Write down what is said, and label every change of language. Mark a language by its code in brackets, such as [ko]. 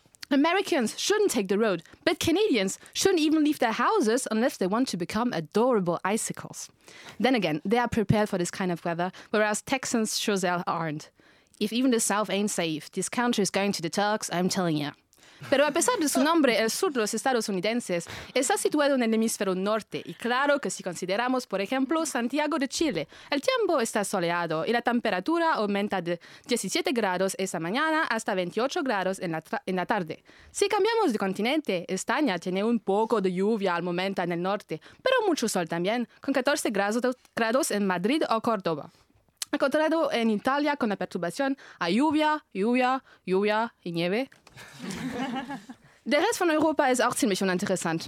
[en] Americans shouldn't take the road, but Canadians shouldn't even leave their houses unless they want to become adorable icicles. Then again, they are prepared for this kind of weather, whereas Texans sure they aren't. If even the South ain't safe, this country is going to the Turks, I'm telling you. [es] Pero a pesar de su nombre, el sur de los Estados Unidos está situado en el hemisferio norte. Y claro que si consideramos, por ejemplo, Santiago de Chile, el tiempo está soleado y la temperatura aumenta de 17 grados esa mañana hasta 28 grados en la tarde. Si cambiamos de continente, España tiene un poco de lluvia al momento en el norte, pero mucho sol también, con 14 grados en Madrid o Córdoba. Encontrado en Italia con la perturbación, hay lluvia y nieve. [de] Der Rest von Europa ist auch ziemlich uninteressant.